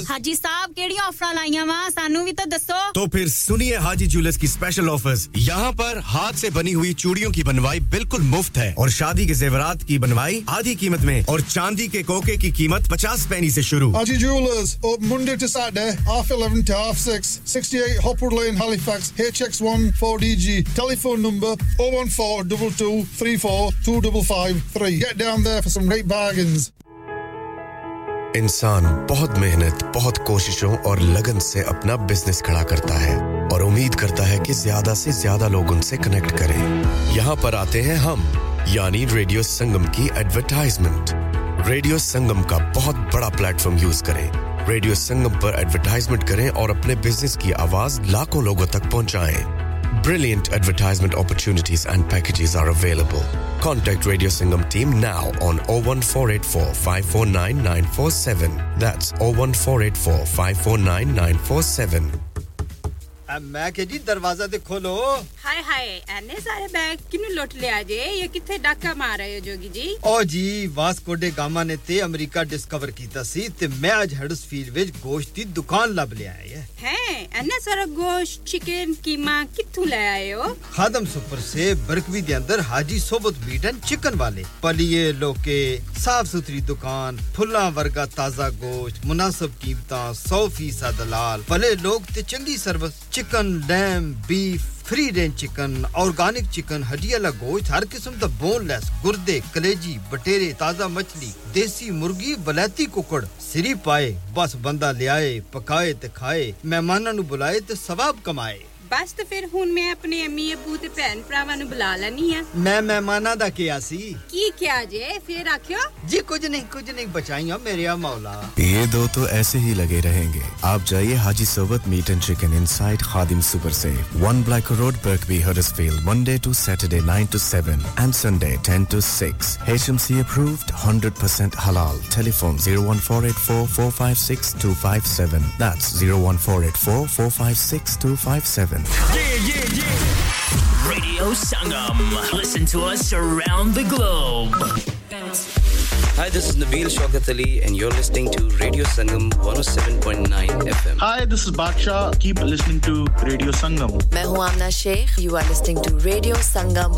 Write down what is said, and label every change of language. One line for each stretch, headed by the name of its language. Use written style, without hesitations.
Punjabi: ہاں جی صاحب کیڑی آفر لائیاں وہاں سانوں بھی تو دسو
Urdu: تو پھر سنیے ہاں جی جولے کی اسپیشل آفرز یہاں پر ہاتھ سے بنی ہوئی چوڑیوں کی بنوائی بالکل مفت ہے اور شادی کے زیورات کی بنوائی آدھی قیمت میں اور چاندی کے کوکے کی قیمت 50 پینی سے شروع
English: ہاں جی jewellers open Monday to Saturday half 11 to half 6 68 Hopwood Lane, Halifax, HX1 4DG. Telephone number 01422342553. Get down there for some great bargains.
Urdu: انسان بہت محنت بہت کوششوں اور لگن سے اپنا بزنس کھڑا کرتا ہے اور امید کرتا ہے کہ زیادہ سے زیادہ لوگ ان سے کنیکٹ کریں یہاں پر آتے ہیں ہم یعنی ریڈیو سنگم کی ایڈورٹائزمنٹ ریڈیو سنگم کا بہت بڑا پلیٹ فارم یوز کریں ریڈیو سنگم پر ایڈورٹائزمنٹ کریں اور اپنے بزنس کی آواز لاکھوں لوگوں تک پہنچائیں
English: Brilliant advertisement opportunities and packages are available. Contact Radio Sangam team now on 01484-549-947. That's 01484-549-947.
Punjabi: میں کہ جی دروازہ تے کھولو ہائے ہائے اینے سارے بیگ کینو لوٹ لیا جے یہ کتھے ڈاکا مار رہے ہو جوگی جی او جی واسکو ڈی گاما نے تے امریکہ ڈسکور کیتا سی تے میں اج ہڈس فیلڈ وچ گوشت دی دکان لب لے آئے ہیں اینے سارا گوشت چکن کیما کتھوں لے آئے ہو خادم سپر سے برکوی دے اندر حاجی صوبت میٹ اینڈ چکن والے پلیے لوکے صاف ستھری دکان پھلاں ورگا تازہ گوشت مناسب قیمتاں 100% دلال پلے لوگ تے چنگی service chicken لیم beef free range chicken organic chicken ہڈی والا گوشت ہر قسم دا بون لیس گردے کلیجی بٹیرے تازہ مچھلی دیسی مرغی بلیتی ککڑ سری پائے بس بندہ لیائے پکائے تے کھائے مہماناں نوں بلائے تے ثواب کمائے بس تے پھر ہن میں اپنے امی ابو تے بھن بھراواں نوں بلا لینی ہاں میں مہماناں دا کیا سی کی کیا جے پھر آکھیو جی کچھ نہیں بچائیاں میرے آ مولا
Urdu: یہ دو تو ایسے ہی لگے رہیں گے آپ جائیے
English: Haji Sohbat meat and chicken inside Khadim super سے one black road Birkby Huddersfield Monday to Saturday 9 to 7 and Sunday 10 to 6 H M C approved 100% حلال telephone 01484456257 that's 01484456257 Yeah. Radio Sangam. Listen to us around the globe. Hi, this is Nabeel Shaukat Ali, and you're listening to Radio Sangam 107.9 FM. Hi, this is Baksha. Keep listening to Radio Sangam.
Urdu: Main hu Amna Sheikh.
English: You are listening to Radio Sangam.